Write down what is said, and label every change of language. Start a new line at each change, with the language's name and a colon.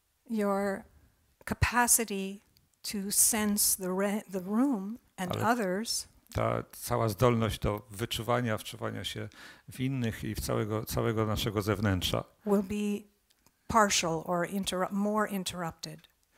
English: Your capacity to sense the room and others.
Polish: Ta cała zdolność do wyczuwania, wczuwania się w innych i w całego naszego zewnętrza
English: will be partial or more interrupted.